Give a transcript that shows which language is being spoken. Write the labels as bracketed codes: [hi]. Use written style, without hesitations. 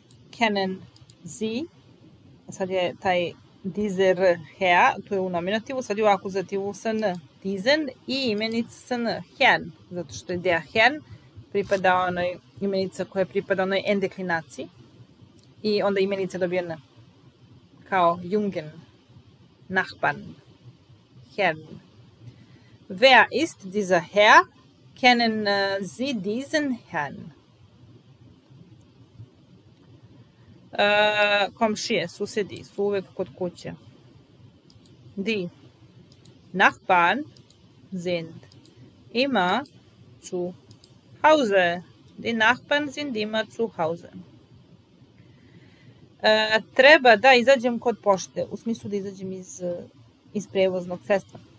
[sr] Kennen Sie? Sad je taj dieser Herr, tu je u nominativu, sad je u akuzativu sa n, diesen, i imenica sa n, Herrn, zato što je der Herrn, pripada onoj imenica koja pripada onoj n deklinaciji, i onda imenica dobija n, kao jungen, nachbarn, Herrn. [de] Wer ist dieser Herr? Kennen Sie diesen Herrn? [sr] komšije, susedi su uvek kod kuće. [de] Di Nachbarn sind immer zu Hause. Di Nachbarn sind immer zu Hause. [sr] Treba da izađem kod pošte, u smislu da izađem iz prevoznog sredstva.